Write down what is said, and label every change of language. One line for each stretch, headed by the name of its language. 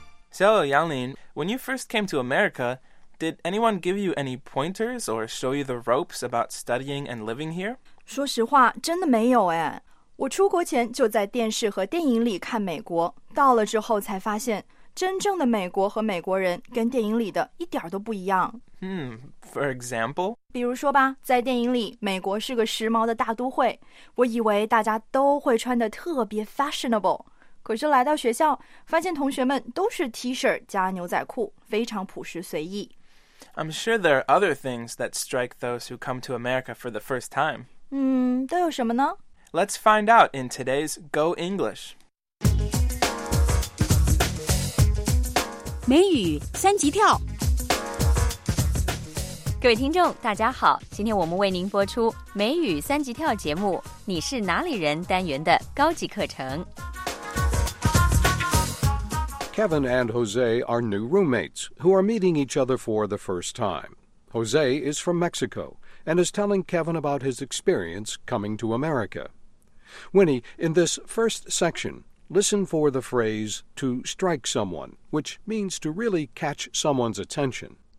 English: So, Yanglin, when you first came to America, did anyone give you any pointers or show you the ropes about studying and living here?
Chinese: 说实话，真的没有哎。我出国前就在电视和电影里看美国，到了之后才发现真正的美国和美国人跟电影里的一点都不一样。
English: For example?
Chinese: 比如说吧，在电影里，美国是个时髦的大都会，我以为大家都会穿得特别 fashionable。可是来到学校，发现同学们都是 T-shirt 加牛仔裤，非常朴实随意。
English: I'm sure there are other things that strike those who come to America for the first time.
Chinese: 都有什么呢？
English: Let's find out in today's Go English.
Chinese: 美语三级跳。各位听众，大家好，今天我们为您播出美语三级跳节目，你是哪里人单元的高级课程。
English: Kevin and Jose are new roommates who are meeting each other for the first time. Jose is from Mexico and is telling Kevin about his experience coming to America. Winnie, in this first section, listen for the phrase to strike someone, which means to really catch someone's attention.